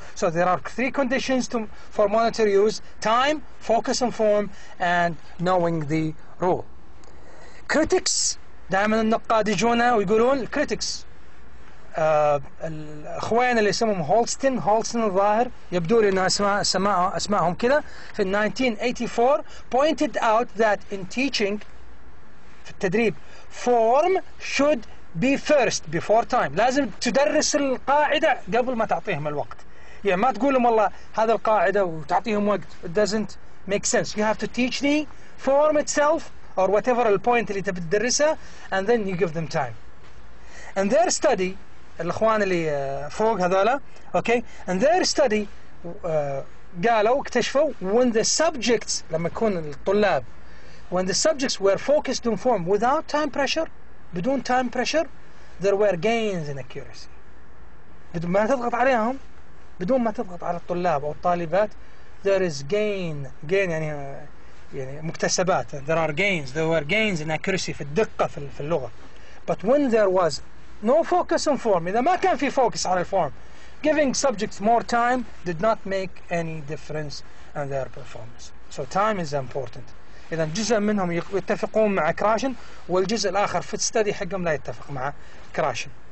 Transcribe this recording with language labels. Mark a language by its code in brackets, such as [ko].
[en] So there are three conditions for monitor use: time, focus and form, and knowing the rule. [ar] Critics, دائما النقاد يجونا ويقولون critics. الاخوين اللي اسمهم هولستن الظاهر يبدو لي ان اسمائهم كذا في [en] 1984 pointed out that in teaching [ar] في التدريب [en] form should be first before time. [ar] لازم تدرس القاعده قبل ما تعطيهم الوقت. يعني ما تقول لهم والله هذا القاعده وتعطيهم وقت. [en] It doesn't make sense. You have to teach the form itself or whatever the point [ar] اللي تبي تدرسه [en] and then you give them time. And their study, [ar] الاخوان اللي فوق هذولا اوكي اند ذير ستدي قالوا اكتشفوا [en] when the subjects [ar] لما يكون الطلاب [en] when the subjects were focused on form without time pressure [ar] بدون [en] time pressure there were gains in accuracy. [ar] بدون ما تضغط عليهم بدون ما تضغط على الطلاب او الطالبات [en] there is gain [ar] يعني مكتسبات [en] there are gains there were gains in accuracy [ar] في الدقه في اللغه. [en] But when there was no focus on form, [ar] إذا ما كان في [en] focus [ar] على الفورم [en] giving subjects more time did not make any difference in their performance. So time is important. [ar] إذا جزء منهم يتفقون مع كراشن والجزء الآخر في study حقهم لا يتفق مع كراشن.